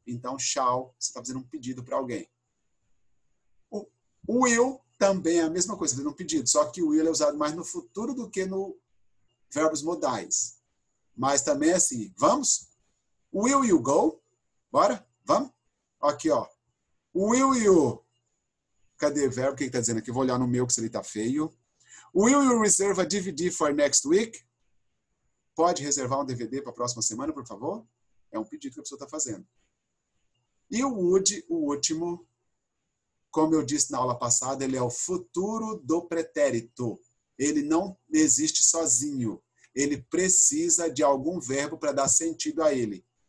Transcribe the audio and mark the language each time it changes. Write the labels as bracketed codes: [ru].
[pt] Então, shall, você está fazendo um pedido para alguém. O will também é a mesma coisa, fazendo um pedido, só que o will é usado mais no futuro do que no verbos modais. Mas também é assim, vamos? [en] Will you go? [pt] Bora? Vamos? Aqui, ó. [en] Will you? [pt] Cadê o verbo? O que está dizendo aqui? Vou olhar no meu, que se ele está feio. [en] Will you reserve a DVD for next week? [pt] Pode reservar um DVD para a próxima semana, por favor? É um pedido que a pessoa está fazendo. E o would, o último, como eu disse na aula passada, ele é o futuro do pretérito. Ele não existe sozinho. Ele precisa de algum verbo para dar sentido a ele.